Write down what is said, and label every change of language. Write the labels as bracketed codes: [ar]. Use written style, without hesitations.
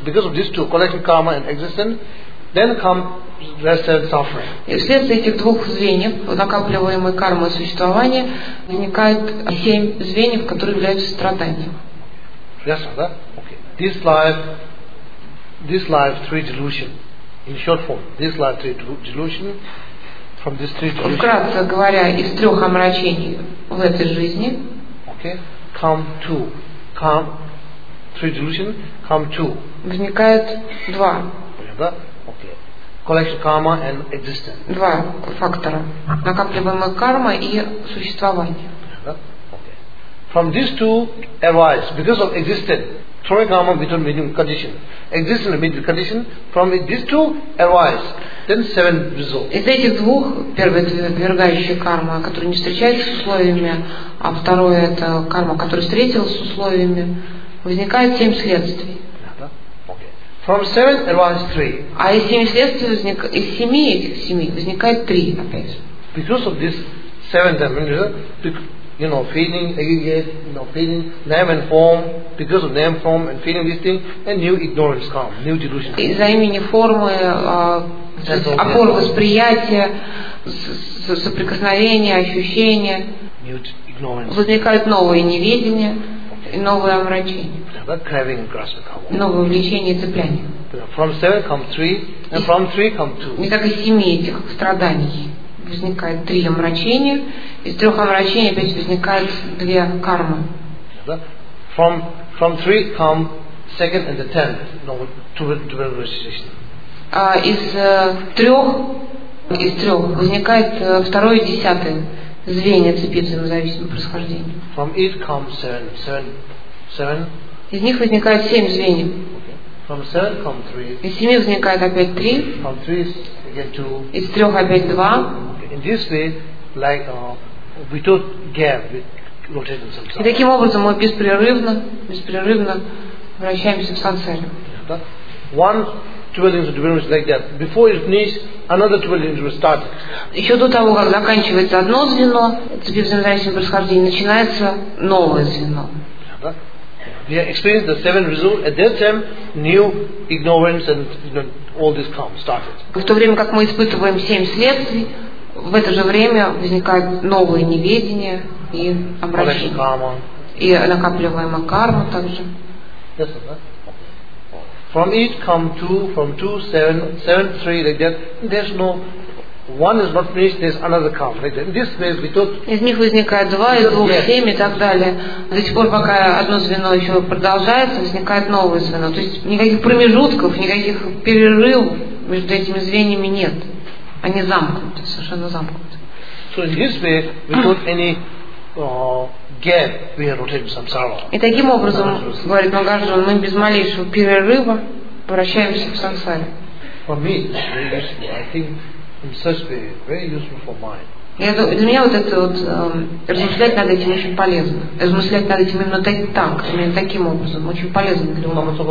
[en] Because of these two, collection karma and existence, then come rest and suffering. [ru] И вследствие этих двух звеньев, накапливаемой кармы и существования, возникает семь звеньев, которые являются страданием. [en] Yes, sir. Okay. This life, three delusion. In short form, this life, three delusion. From these three delusions. [ru] Вкратце говоря, из трех омрачений в этой жизни. [en] Okay. Come two. Come three delusion. Come two. [ru] Возникает два. [en] Remember? Okay. Collection karma and existence. [ru] Два фактора. Накапливаемая карма и существование. [en] Okay. From these two arise because of existence. Three karma between medium condition. Existence medium condition. From these two arise. Then seven results. [ru] Из этих двух, первое это отвергающая карма, которая не встречается с условиями, а второе это карма, которая встретилась с условиями, возникает семь следствий. [en] Okay. From seven arise three. [ru] А из семи следствий из семи возникает три опять. [en] Because of this seven dimension, you know, feeling, aggregate, you know, feeling, name and form, because of name, form and feeling this thing, and new ignorance comes, new delusion. [ru] Из-за имени формы, опор восприятия, соприкосновения, ощущения, возникают новые неведения и новые омрачения. Новое влечение и цепляние. [en] From seven come three, and from three come two. [ru] Не как из семи этих страданий. Возникает три омрачения, из трех омрачений опять возникает две кармы. [en] From three come second and the tenth, no, two realization. [ru] Из трех возникает второе и десятое звенья цепи взаимозависимого происхождения. [en] From it come seven. [ru] Из них возникает семь звеньев. [en] From seven come three. [ru] Из семи возникает опять три. [en] From three again two. [ru] Из трех опять два. [en] In this way, like without gap, we rotate in samsara. [ru] И таким образом мы беспрерывно вращаемся в сансаре. [en] One twirling of dwellings like that. Before it finishes, another twirling will start. [ru] Еще до того, как заканчивается одно звено, цепи взаимозависимого происхождения, начинается новое звено. [en] We experience the seven results. At that time, new ignorance and all this come started. [ru] В то время как мы испытываем семь следствий, в это же время возникают новые неведения и обращения. И накапливаемая карма также. [en] Yes, from each come two, from two, seven, three, like that. There's no one is not finished, there's another come. Like that. This way we took. [ru] Из них возникает два, из двух, семь и так далее. До сих пор, пока одно звено еще продолжается, возникает новое звено. То есть никаких промежутков, никаких перерывов между этими звеньями нет. Они замкнуты, совершенно замкнуты. [en] So in this way, without any gap, we are rotating samsara. [ru] И таким образом, говорит Нагарджуна, мы без малейшего перерыва вращаемся в сансаре. [en] For me, it's very useful. I think in such way, very useful for mind. [ru] Для меня вот это вот размышлять над этим очень полезно. Размышлять над этим именно таким образом очень полезно для ума.